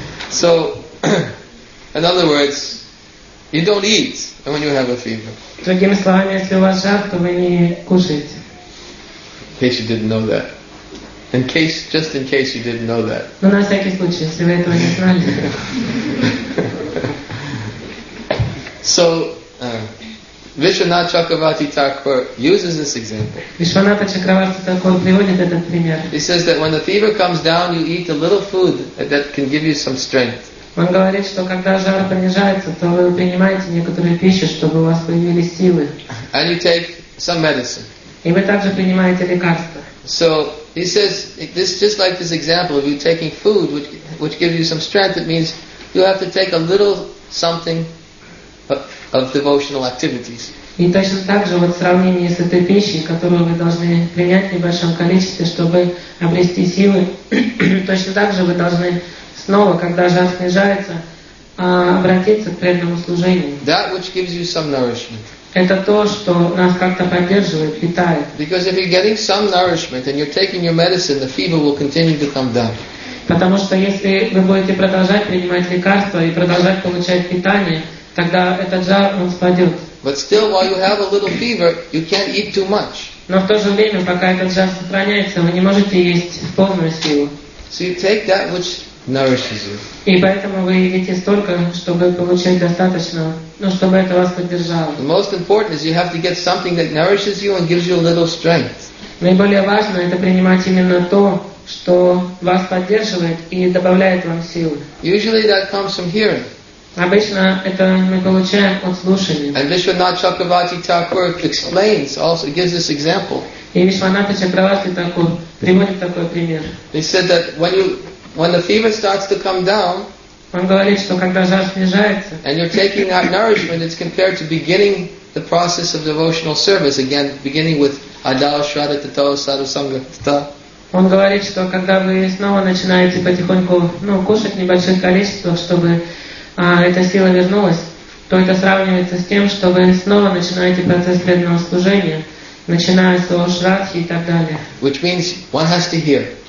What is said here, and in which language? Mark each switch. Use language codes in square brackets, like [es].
[en] So, in other words, you don't eat when you have a fever. [ru] Другими словами, если у вас жар, то вы не кушаете. [en] In case you didn't know that. Just in case you didn't know that. [ru] Но на всякий случай, если вы этого не знали. [en] So, Vishwanatha Chakravarti Thakur uses this example. He says that when the fever comes down, you eat a little food that can give you some strength. [ru] Он говорит, что когда жар понижается, то вы принимаете некоторую пищу, чтобы у вас появились силы. [en] And you take some medicine. [ru] И вы также принимаете лекарства. [en] So he says, this just like this example of you taking food, which gives you some strength. It means you have to take a little something of devotional activities. [ru] И точно так же вот в сравнении с этой пищей, которую вы должны принять в небольшом количестве, чтобы обрести силы, точно так же вы должны снова, когда жар снижается, обратиться к преданному служению. [en] That which gives you some nourishment. [ru] Это то, что нас как-то поддерживает, питает. [en] Because if you're getting some nourishment and you're taking your medicine, the fever will continue to come down. [ru] Потому что если вы будете продолжать принимать лекарства и продолжать получать питание, тогда этот жар он спадет. [en] But still, while you have a little fever, you can't eat too much. [ru] Но в то же время, пока этот жар сохраняется, вы не можете есть в полную силу. [en] So you take that which nourishes you. [ru] И поэтому вы едите столько, чтобы получить достаточно, но чтобы это вас поддержало. [en] The most important is you have to get something that nourishes you and gives you a little strength. [ru] Наиболее важно это принимать именно то, что вас поддерживает и добавляет вам силы. [en] Usually that comes from hearing. [ru] Обычно это мы получаем от слушания. [en] And Vishwanatha Chakravarti Thakur explains, also gives this example. [ru] И Вишванатха Чакраварти Такур приводит такой пример. [en] He said that when the fever starts to come down, [ru] он говорит, что когда жар снижается, [en] and you're taking that nourishment, it's compared to beginning the process of devotional service again, beginning with Adal Shraddha Tato Sadhu Sangha Tata. [ru] Он говорит, что когда вы снова начинаете потихоньку, ну, кушать небольшое количество, чтобы эта сила вернулась, то это сравнивается с тем, что вы снова начинаете процесс преданного служения, начиная с Шрадхи и так далее. [en] Which means one has to hear.